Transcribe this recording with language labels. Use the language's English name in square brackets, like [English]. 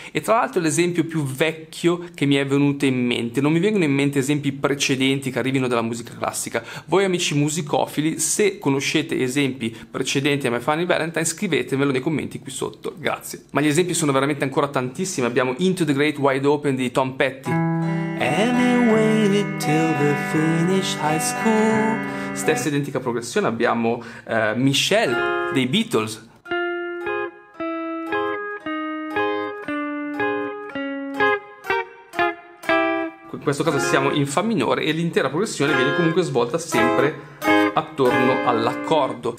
[Italian] E tra l'altro l'esempio più vecchio che mi è venuto in mente, non mi vengono in mente esempi precedenti che arrivino dalla musica classica. Voi amici musicofili, se conoscete esempi precedenti a My Funny Valentine, scrivetemelo nei commenti qui sotto, grazie. Ma gli esempi sono veramente ancora tantissimi. Abbiamo Into the Great Wide Open di Tom Petty. [English] And I waited till the finish high school. [Italian] Stessa identica progressione abbiamo Michelle dei Beatles. In questo caso siamo in fa minore e l'intera progressione viene comunque svolta sempre attorno all'accordo.